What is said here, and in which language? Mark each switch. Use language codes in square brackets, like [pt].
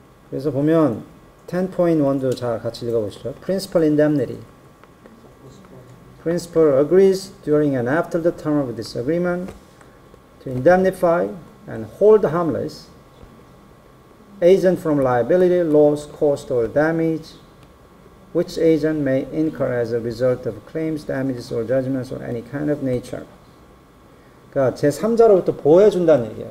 [ko] 그래서 보면 10.1도 자 같이 읽어보시죠. [en] Principal indemnity. Principal agrees during and after the term of this agreement to indemnify and hold harmless agent from liability, loss, cost, or damage which agent may incur as a result of claims, damages, or judgments of any kind of nature. [ko] 그러니까 제3자로부터 보호해준다는 얘기예요.